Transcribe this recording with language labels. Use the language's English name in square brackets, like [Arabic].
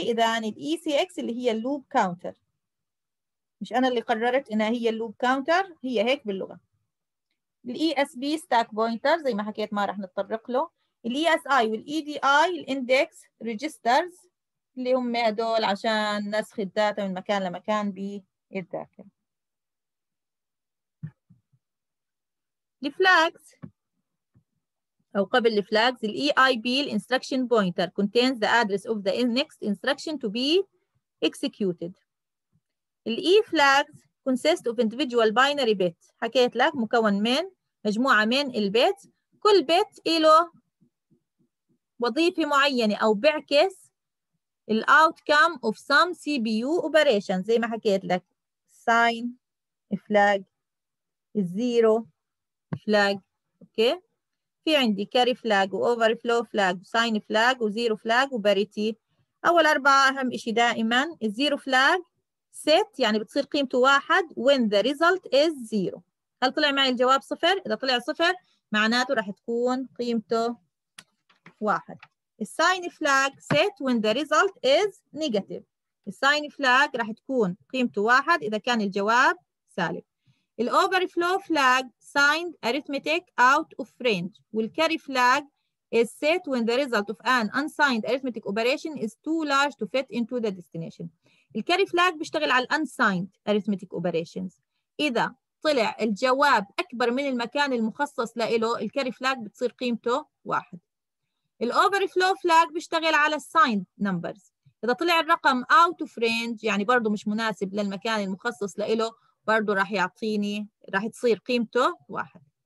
[Arabic] اذا الاي سي اكس اللي هي اللوب كاونتر، مش انا اللي قررت انها هي اللوب كاونتر، هي هيك باللغه. الاي اس بي ستاك بوينتر زي ما حكيت ما راح نتطرق له. الاي اس اي والاي دي اي الاندكس ريجسترز اللي هم هدول عشان نسخ الداتا من مكان لمكان بالذاكره. الفلاجز أو قبل الفلاجز، [English] الـ EIB الـ Instruction Pointer contains the address of the next instruction to be executed. الـ E-Flags consists of individual binary bits. [Arabic] حكيت لك مكون من مجموعة من البيت، كل بيت له وظيفة معينة أو بعكس الـ [English] Outcome of some CPU operation. [Arabic] زي ما حكيت لك Sign Flag Zero Flag. [English] Okay. [Arabic] في عندي [English] carry flag و overflow flag و sign flag و zero flag و parity. [Arabic] أول أربعة أهم إشي دائماً. [English] zero flag set [Arabic] يعني بتصير قيمته واحد [English] when the result is zero. [Arabic] هل طلع معي الجواب صفر؟ إذا طلع صفر معناته راح تكون قيمته واحد. [English] sign flag set when the result is negative. [Arabic] sign flag راح تكون قيمته واحد إذا كان الجواب سالب. [English] الـ overflow flag signed arithmetic out of range. والـ carry flag is set when the result of an unsigned arithmetic operation is too large to fit into the destination. الـ carry flag [Arabic] بيشتغل على [English] الـ unsigned arithmetic operations. [Arabic] إذا طلع الجواب أكبر من المكان المخصص لإله، الـ carry flag بتصير قيمته واحد. الـ overflow flag بيشتغل على الـ signed numbers. إذا طلع الرقم [English] out of range، [Arabic] يعني برضه مش مناسب للمكان المخصص لإله، برضه راح يعطيني، راح تصير قيمته واحد.